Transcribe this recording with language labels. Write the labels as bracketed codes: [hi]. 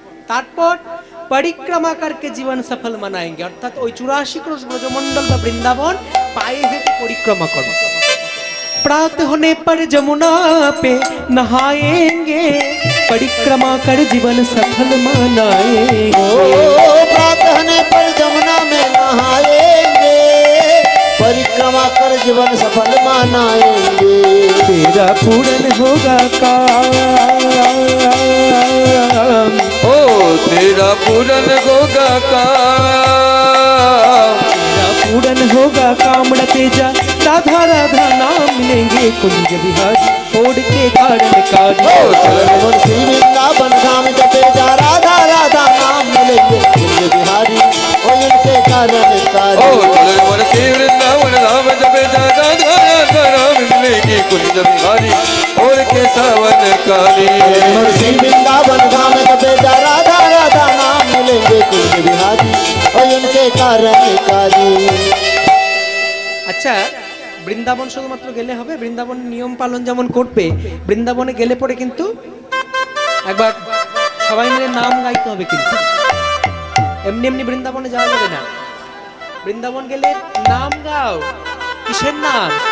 [bn] তারপর পরিক্রমা করকে জীবন সফল মানায়েঙ্গে অর্থাৎ ওই 84 ক্রোশ ব্রজমণ্ডল বা বৃন্দাবন পায়ে হেঁটে পরিক্রমা করো [hi] प्रात होने पर जमुना पे नहाएंगे परिक्रमा कर जीवन सफल मनाएंगे प्रात होने पर जमुना में नहाएंगे परिक्रमा कर जीवन सफल मनाएंगे तेरा पूरन होगा काम ओ तेरा पूरन होगा काम तेरा पूरन होगा काम तेजा राधा राधा नाम लेंगे कुंज बिहारी ओढ़ के कारण कारी ओ चल रे मन श्री वृंदावन धाम जपे जा राधा राधा नाम लेंगे कुंज बिहारी ओ उनके कारण कारी ओ चल रे मन श्री वृंदावन धाम जपे जा राधा राधा नाम लेंगे कुंज बिहारी ओढ़ के सावन कारी मन श्री वृंदावन धाम जपे जा राधा राधा नाम लेंगे कुंज बिहारी ओ उनके कारण कारी [bn] আচ্ছা বৃন্দাবন শুধুমাত্র গেলে হবে বৃন্দাবন নিয়ম পালন যেমন করবে বৃন্দাবনে গেলে পরে কিন্তু একবার সবাই মিলে নাম গাইতে হবে কিন্তু এমনি এমনি বৃন্দাবনে যাওয়া যাবে না বৃন্দাবন গেলে নাম গাও কিসের নাম